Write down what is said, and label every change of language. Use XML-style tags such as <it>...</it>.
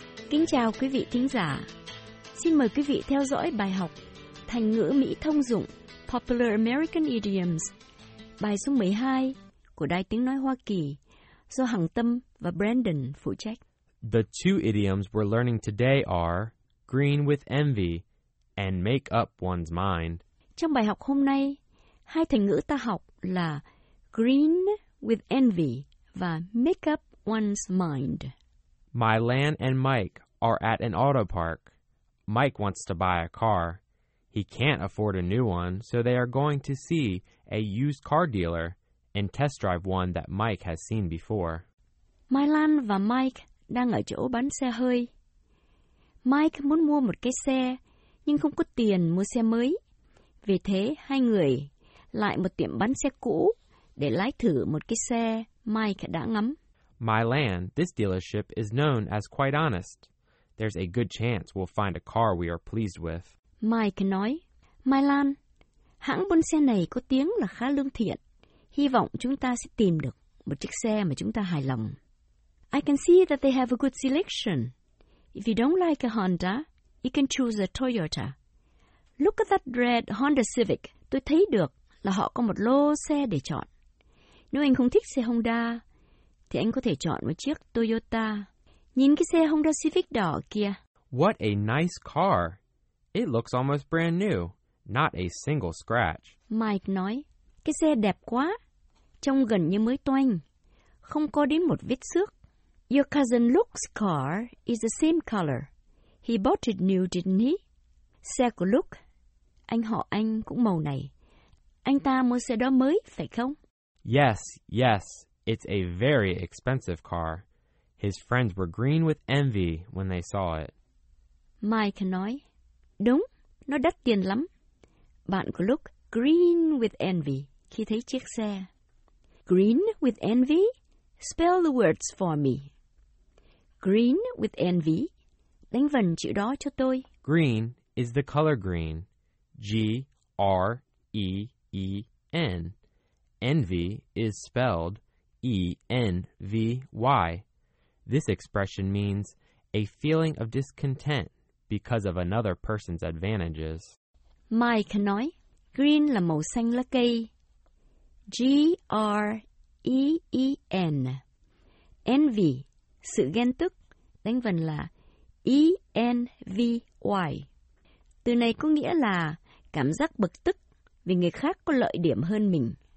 <vi>Kính chào quý vị thính giả. Xin mời quý vị theo dõi bài học Thành ngữ Mỹ thông dụng</vi> <en>Popular American Idioms,</en> <vi>bài số 12 của Đài Tiếng Nói Hoa Kỳ, do Hằng Tâm và Brandon phụ trách.</vi> <en>The two idioms we're learning today are green with envy and make up one's mind.</en> <vi>Trong bài học hôm nay, hai thành ngữ ta học là</vi> <en>green with envy</en> <vi>và</vi> <en>make up one's mind. Mylan and Mike are at an auto park. Mike wants to buy a car. He can't afford a new one, so they are going to see a used car dealer and test drive one that Mike has seen before.</en> <vi>Mylan và Mike đang ở chỗ bán xe hơi. Mike muốn mua một cái xe, nhưng không có tiền mua xe mới. Vì thế, hai người lại một tiệm bán xe cũ để lái thử một cái xe Mike đã ngắm.</vi> <en>Mylan, this dealership is known as quite honest. There's a good chance we'll find a car we are pleased with.</en> <vi>Mike nói, Mylan, hãng buôn xe này có tiếng là khá lương thiện. Hy vọng chúng ta sẽ tìm được một chiếc xe mà chúng ta hài lòng.</vi> <en>I can see that they have a good selection. If you don't like a Honda, you can choose a Toyota. Look at that red Honda Civic.</en> <vi>Tôi thấy được là họ có một lô xe để chọn. Nếu anh không thích xe Honda, thì anh có thể chọn một chiếc Toyota. Nhìn cái xe Honda Civic đỏ kia.</vi> <en>What a nice car. It looks almost brand new. Not a single scratch.</en> <vi>Mike nói, cái xe đẹp quá. Trông gần như mới toanh. Không có đến một vết xước.</vi> <en>Your cousin Luke's car is the same color. He bought it new, didn't he?</en> <vi>Xe của Luke. Anh họ anh cũng màu này. Anh ta mua xe đó mới, phải không?</vi> <en>Yes, yes. It's a very expensive car. His friends were green with envy when they saw it.</en> <vi>Mike nói, đúng, nó đắt tiền lắm. Bạn của Luke</vi> <en>green with envy</en> <vi>khi thấy chiếc xe.</vi> <en>Green with envy? Spell the words for me. Green with envy.</en> <vi>Đánh vần chữ đó cho tôi.</vi> <en>Green is the color green. G-R-E-E-N. Envy is spelled E-N-V-Y. This expression means a feeling of discontent because of another person's advantages.</en> <vi>Mike nói, green là màu xanh lá cây. G-R-E-E-N. Envy, sự ghen tức, đánh vần là E-N-V-Y. Từ này có nghĩa là cảm giác bực tức vì người khác có lợi điểm hơn mình.</vi>